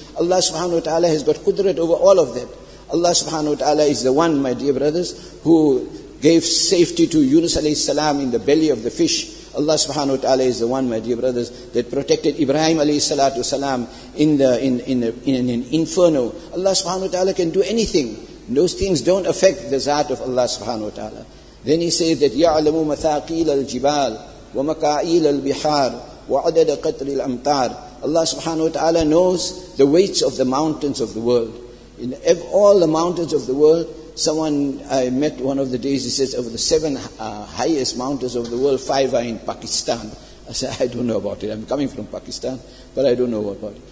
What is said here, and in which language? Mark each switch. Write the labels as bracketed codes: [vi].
[en] Allah subhanahu wa ta'ala has got qudrat over all of that. Allah subhanahu wa ta'ala is the one, my dear brothers, who gave safety to Yunus alayhi salam in the belly of the fish. Allah subhanahu wa ta'ala is the one, my dear brothers, that protected Ibrahim alayhi salatu salam in an inferno. Allah subhanahu wa ta'ala can do anything. Those things don't affect the zat of Allah subhanahu wa ta'ala. Then he says that [ar] يَعْلَمُ مَثَاقِيلَ الْجِبَالِ وَمَكَائِيلَ الْبِحَارِ وَعَدَدَ قَتْرِ الْأَمْطَارِ. [en] Allah subhanahu wa ta'ala knows the weights of the mountains of the world. In all the mountains of the world, someone I met one of the days, he says, of the seven highest mountains of the world, five are in Pakistan. I said, I don't know about it. I'm coming from Pakistan, but I don't know about it.